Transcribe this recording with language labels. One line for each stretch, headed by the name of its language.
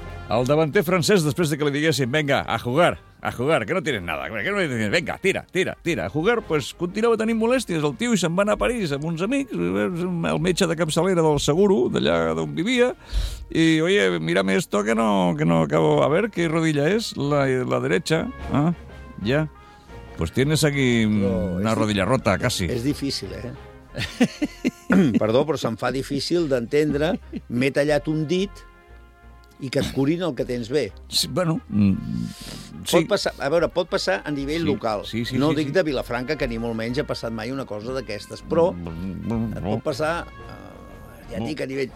Catalan: El davanter francès, després de que li diguessin
Spanish: venga, a jugar, que no tenen nada,
Catalan: que no li diguessin,
Spanish: venga, tira, a jugar,
Catalan: pues continuava tenint molèsties, el tio, i se'n va anar a París amb uns amics, el metge de capçalera del seguro, d'allà d'on vivia, i, oye, mira més to que no acabo, a ver, què rodilla és, la dreta, ja.
Spanish: Pues tienes aquí una rodilla rota, casi.
Catalan: És difícil, Perdó, però se'm fa difícil d'entendre. M'he tallat un dit i que et curin el que tens bé. Sí, bueno, sí. Pot passar a nivell local. Sí, no sí, dic sí. De Vilafranca, que ni molt menys ha passat mai una cosa d'aquestes, però pot passar, a nivell...